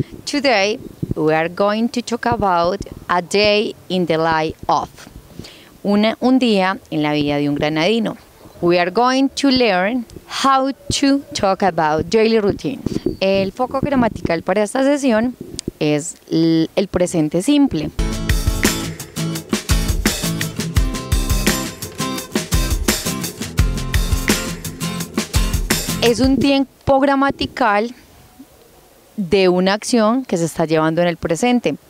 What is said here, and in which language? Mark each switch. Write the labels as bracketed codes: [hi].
[en] Today, we are going to talk about a day in the life of. [es] Un día en la vida de un granadino. [en] We are going to learn how to talk about daily routine. [es] El foco gramatical para esta sesión es el presente simple. Es un tiempo gramatical de una acción que se está llevando en el presente.